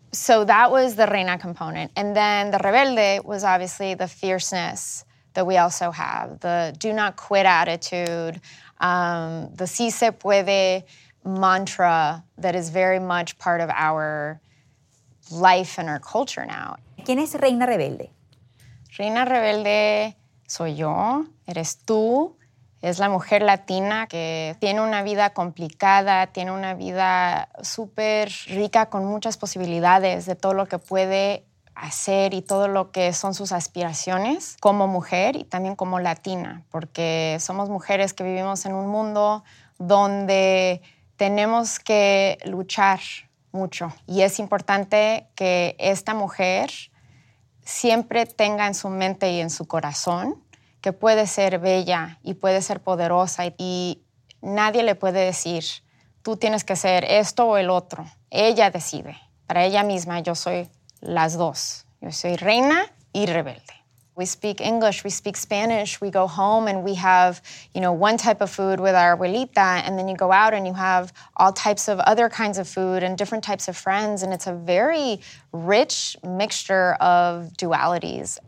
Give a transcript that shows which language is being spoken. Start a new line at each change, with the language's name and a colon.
English: So that was the Reina component. And then the Rebelde was obviously the fierceness that we also have, the do not quit attitude, the
Spanish: si se puede
English: mantra that is very much part of our life and our culture now.
Spanish: ¿Quién es Reina Rebelde? Reina Rebelde soy yo, eres tú, es la mujer latina que tiene una vida complicada, tiene una vida súper rica con muchas posibilidades de todo lo que puede hacer y todo lo que son sus aspiraciones como mujer y también como latina, porque somos mujeres que vivimos en un mundo donde tenemos que luchar Mucho. Y es importante que esta mujer siempre tenga en su mente y en su corazón que puede ser bella y puede ser poderosa y nadie le puede decir, tú tienes que ser esto o el otro. Ella decide. Para ella misma, yo soy las dos. Yo soy reina y rebelde.
English: We speak English, we speak Spanish, we go home and we have, you know, one type of food with our abuelita, and then you go out and you have all types of other kinds of food and different types of friends, and it's a very rich mixture of dualities.